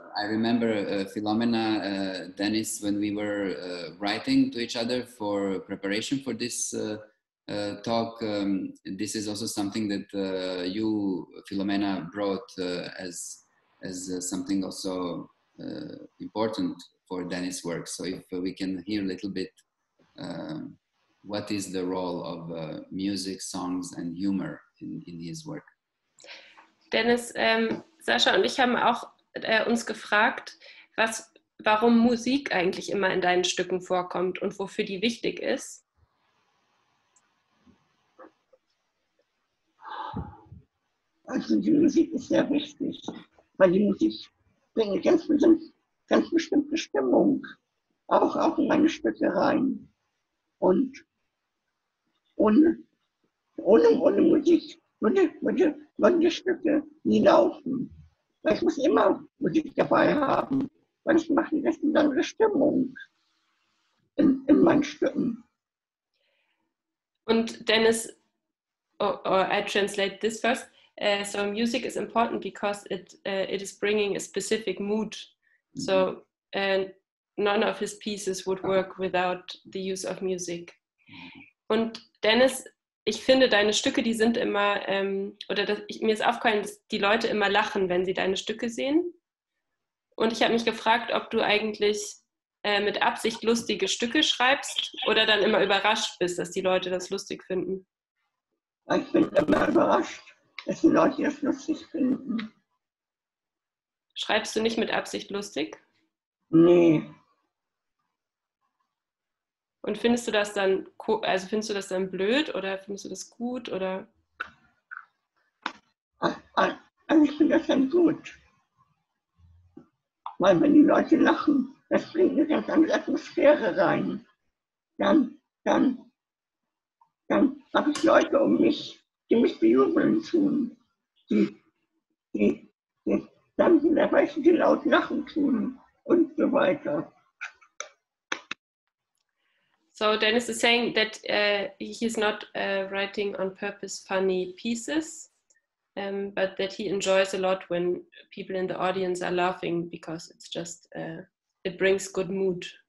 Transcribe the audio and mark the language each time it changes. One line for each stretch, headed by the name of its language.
English: I remember Philomena, Dennis, when we were writing to each other for preparation for this talk, this is also something that you, Philomena, brought as something also important for Dennis' work. So if we can hear a little bit, what is the role of music, songs and humor in his work?
German: Dennis, Sascha und ich haben auch uns gefragt, warum Musik eigentlich immer in deinen Stücken vorkommt und wofür die wichtig ist. Also die Musik ist sehr wichtig, weil die Musik bringt ganz bestimmte Stimmung auch in meine Stücke rein. Und ohne Musik würde die Stücke nie laufen. Ich muss immer Musik dabei haben, weil ich mache die besten dann eine Stimmung in meinen Stücken. Und
English: Dennis, I translate this first. So music is important because it is bringing a specific mood. Mm-hmm. So none of his pieces would work without the use of music.
German: Und Dennis, ich finde, deine Stücke, die sind immer, mir ist aufgefallen, dass die Leute immer lachen, wenn sie deine Stücke sehen. Und ich habe mich gefragt, ob du eigentlich mit Absicht lustige Stücke schreibst oder dann immer überrascht bist, dass die Leute das lustig finden. Ich bin immer überrascht, dass die Leute das lustig finden. Schreibst du nicht mit Absicht lustig? Nee. Und findest du das dann, also findest du das dann blöd oder findest du das gut oder? Ich finde das dann gut. Weil wenn die Leute lachen, das bringt eine ganz andere Atmosphäre rein. Dann habe ich Leute um mich, die mich bejubeln tun. Die dann die laut lachen tun und so weiter.
English: So Dennis is saying that he is not writing on purpose funny pieces, but that he enjoys a lot when people in the audience are laughing because it's just, it brings good mood.